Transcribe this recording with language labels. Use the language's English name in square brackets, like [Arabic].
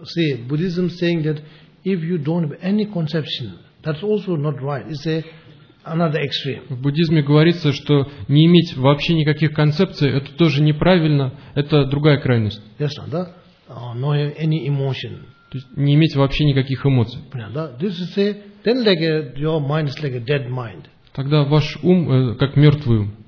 [English] See, Buddhism saying that if you don't have any conception, that's also not right. It's another extreme. [Russian] В буддизме говорится, что не иметь вообще никаких концепций — это тоже неправильно, это другая крайность. [English] Yes, no, [Russian] да? [English] No any emotion. [Russian] То есть не иметь вообще никаких эмоций. [English] Yeah, [Russian] да? [English] This is say, then like your mind is like a dead mind. [Russian] Тогда ваш ум как мертвый ум.